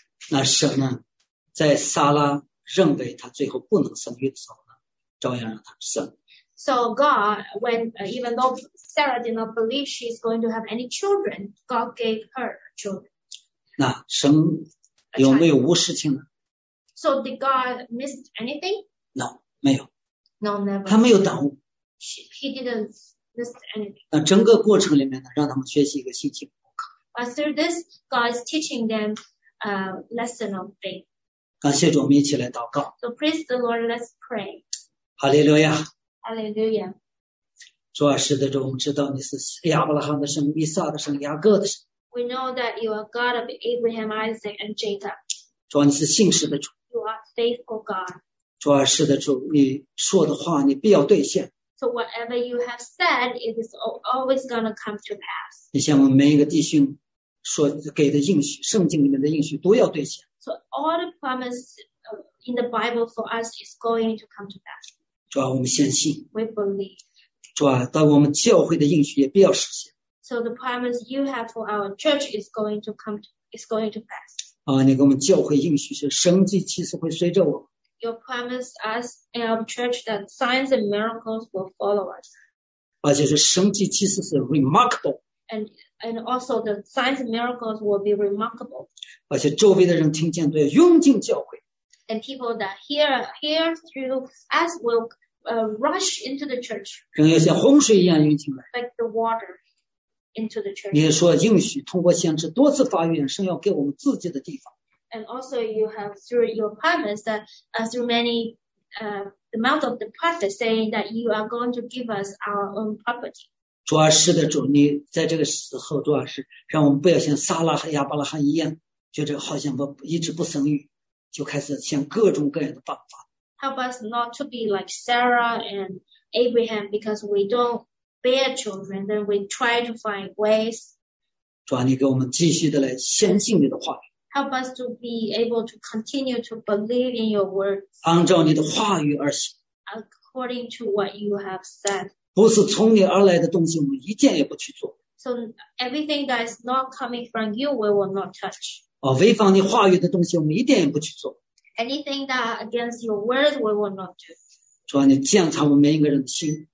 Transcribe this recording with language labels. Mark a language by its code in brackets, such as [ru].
[zh] 那神呢，在撒拉认为他最后不能生育的时候呢，照样让他生。 [en] So God, when even though Sarah did not believe she is going to have any children, God gave her children. [zh] 那神有没有无事情呢 [en] ？So did God miss anything? No, [zh] 没有。 [en] No, never. [zh] 他没有耽误。 [en] He didn't miss anything. [zh] 那整个过程里面呢，让他们学习一个信心功课。 [en] But through this, God is teaching them a lesson of faith. [zh] 感谢主，我们一起来祷告。 [en] So praise the Lord. Let's pray. [zh] 哈利路亚。哈利路亚。主啊，是的，主，我们知道你是亚伯拉罕的神、以撒的神、雅各的神。 [en] We know that you are God of Abraham, Isaac, and Jacob. [zh] 主啊，你是信实的主。 [en] You are faithful God. [zh] 主啊，是的，主，你说的话你必要兑现。 [en] So whatever you have said, it is always going to come to pass. [zh] 你向我们每一个弟兄说给的应许，圣经里面的应许都要兑现。 [en] So all the promise in the Bible for us is going to come to pass. [zh] 主啊，我们相信。 [en] We believe. [zh] 主啊，到我们教会的应许也必要实现。 [en] So the promise you have for our church is going to come to, is going to pass. [zh] 啊，你给我们教会应许是神迹奇事会随着我。 [en] Your promise us and our church that signs and miracles will follow us. [zh] 而且是神迹奇事是 remarkable. [en] And also the signs and miracles will be remarkable. [zh] 而且周围的人听见都要涌进教会。 [en] And people that hear through us will rush into the church. [zh] 更要像洪水一样涌进来。 [en] Like the water into the church. [zh] 你说应许通过先知多次发愿，神要给我们自己的地方。 [en] And also you have through your promise that through many the mouth of the prophet saying that you are going to give us our own property. [zh] 主啊，是的，主，你在这个时候，主啊，是让我们不要像撒拉和亚伯拉罕一样，就这好像不一直不生育，就开始想各种各样的办法。 [en] Help us not to be like Sarah and Abraham because we don't bear children, then we try to find ways. [zh] 主啊，你给我们继续的来相信你的话语。 [en] Help us to be able to continue to believe in your word. [zh] 按照你的话语而行。 [en] According to what you have said. [zh] 不是从你而来的东西，我们一件也不去做。 [en] So everything that is not coming from you, we will not touch. [zh] 哦，违反你话语的东西，我们一件也不去做。 [en] Anything that against your word, we will not do. [zh] 主啊，你检查我们每一个人的心。